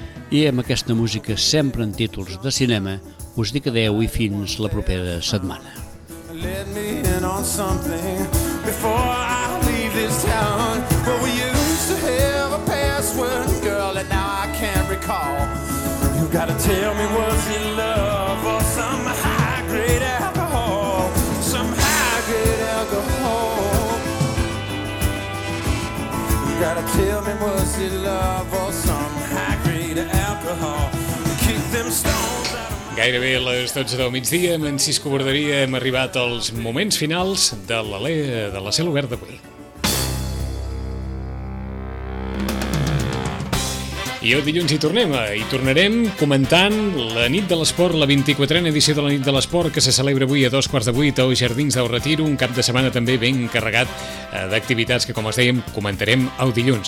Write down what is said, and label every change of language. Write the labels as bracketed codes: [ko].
[ca] I amb aquesta música, sempre en títols de cinema, us dic adeu i fins la propera setmana. [en] Let me in on something before I leave this town. Well, we used to have a password, girl, and now I can't recall. You gotta tell me, was it love or some high-grade alcohol? Some high-grade alcohol. You gotta tell me, was it love or some high-grade alcohol? Kick them stones. [ca] Gairebé a les 12 del migdia, amb en Cisco Borderia, hem arribat als moments finals de l'alè de la Cel Obert d'avui. I el dilluns hi tornem, i tornarem comentant la nit de l'esport, la 24a edició de la nit de l'esport, que se celebra avui a 7:45 als Jardins del Retiro, un cap de setmana també ben carregat d'activitats que, com es dèiem, comentarem el dilluns.